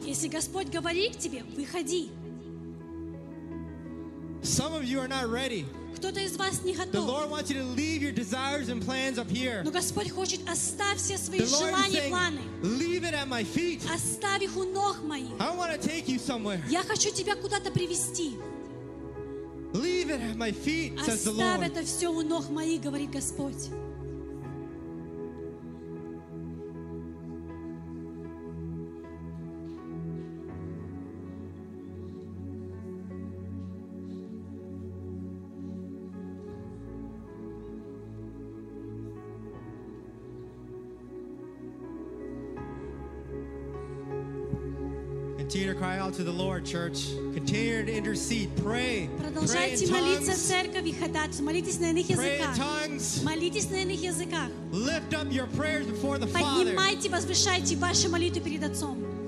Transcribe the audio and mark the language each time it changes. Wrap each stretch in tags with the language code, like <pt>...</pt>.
<ru>Если Господь говорит к тебе, выходи.</ru> <en>Some of you are not ready.</en> <ru>Кто-то из вас не готов.</ru> <en>The Lord wants you to leave your desires and plans up here.</en> <ru>Но Господь хочет оставь все свои желания и планы.</ru> <en>Leave it at my feet.</en> <ru>Оставь их у ног моих.</ru> <en>I want to take you somewhere.</en> <ru>Я хочу тебя куда-то привести.</ru> <en>Leave it at my feet, says the Lord.</en> <ru>Оставь это все у ног моих, говорит Господь.</ru> <en>Continue to cry out to the Lord, church. Continue to intercede. Pray.</en> <ru>Продолжайте молиться в церкви, ходатайствуйте. Молитесь на иных языках. Молитесь на иных языках.</ru> <en>Lift up your prayers before the Father.</en> <ru>Поднимайте, возвышайте ваши молитвы перед Отцом.</ru>